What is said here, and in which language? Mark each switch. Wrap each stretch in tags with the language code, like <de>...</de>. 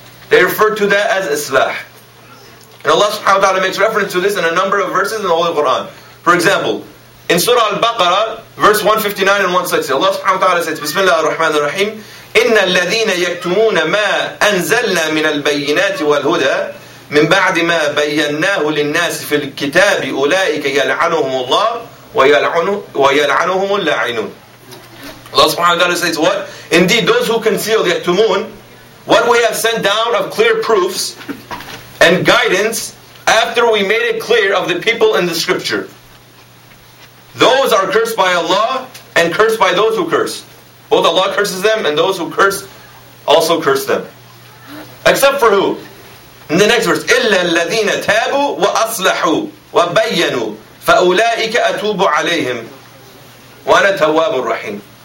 <en>They refer to that as islah. And Allah subhanahu wa ta'ala makes reference to this in a number of verses in the Holy Quran. For example, in Surah Al-Baqarah, verse 159 and 160, Allah subhanahu wa ta'ala says, Bismillah ar-Rahman ar-Rahim,</en> <ar>إِنَّ الَّذِينَ يَكْتُمُونَ مَا أَنزَلْنَا مِنَ الْبَيِّنَاتِ وَالْهُدَىٰ من بعد ما بيناه للناس في الكتاب أولئك يلعنهم الله ويلعنهم اللاعنون.</ar> <en>Allah subhanahu wa ta'ala says what? Indeed, those who conceal the Yahtumun, what we have sent down of clear proofs and guidance after we made it clear of the people in the scripture, those are cursed by Allah and cursed by those who curse. Both Allah curses them and those who curse also curse them. Except for who? In the next verse,</en> <ar>إِلَّا الَّذِينَ تَابُوا وَأَصْلَحُوا وَبَيَّنُوا فَأُولَٰئِكَ أَتُوبُ عَلَيْهِمْ وَأَنَا تَوَّابُ الرَّحِيمُ.</ar>